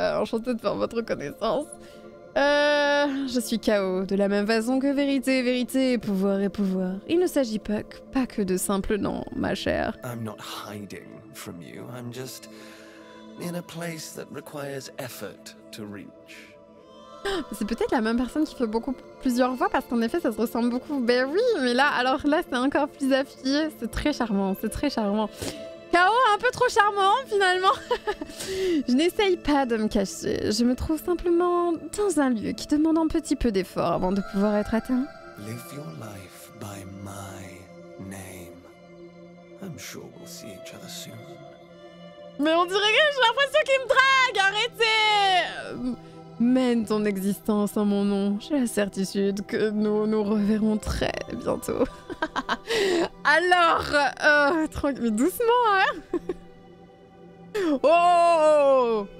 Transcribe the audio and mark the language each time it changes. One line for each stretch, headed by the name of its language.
French: Enchantée de faire votre connaissance. Je suis K.O. de la même façon que vérité, vérité, pouvoir et pouvoir. Il ne s'agit pas que de simples noms, ma chère.
English: I'm not hiding from you. I'm just in a place that requires effort to reach.
French: C'est peut-être la même personne qui fait beaucoup plusieurs voix parce qu'en effet ça se ressemble beaucoup. Ben oui, mais là, alors là c'est encore plus affilié. C'est très charmant, c'est très charmant. K.O. un peu trop charmant, finalement. Je n'essaye pas de me cacher. Je me trouve simplement dans un lieu qui demande un petit peu d'effort avant de pouvoir être atteint.
English: Live your life by my name. I'm sure we'll see each other soon.
French: Mais on dirait que j'ai l'impression qu'il me drague. Arrêtez. Mène ton existence en mon nom. J'ai la certitude que nous nous reverrons très bientôt. Alors, tranquille, mais doucement, hein. Oh!